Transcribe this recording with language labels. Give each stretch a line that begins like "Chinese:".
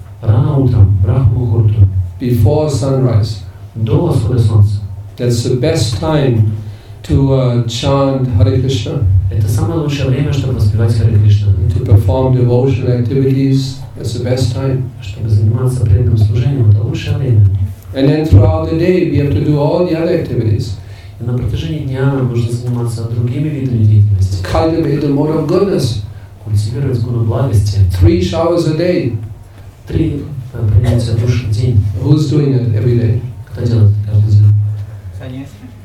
Russian: Рано утром, брахмухурту.
English: Before sunrise.
Russian: До восхода солнца.
English: That's the best time to chant Hare Krishna.
Russian: Это самое лучшее время, чтобы воспевать Харе Кришна.
English: To perform devotional activities. That's the best time.
Russian: Чтобы заниматься преданным служением, это лучшее время.
English: And then throughout the day we have to do all the other activities.
Russian: И на протяжении дня нам нужно заниматься другими видами деятельности.
English: Cultivate the mode of goodness.
Russian: Культивировать гуну благости.
English: Three showers a day.
Russian: Три принятия душ в день.
English: Who's doing it every day?
Russian: Кто делает это каждый день? Саньяси.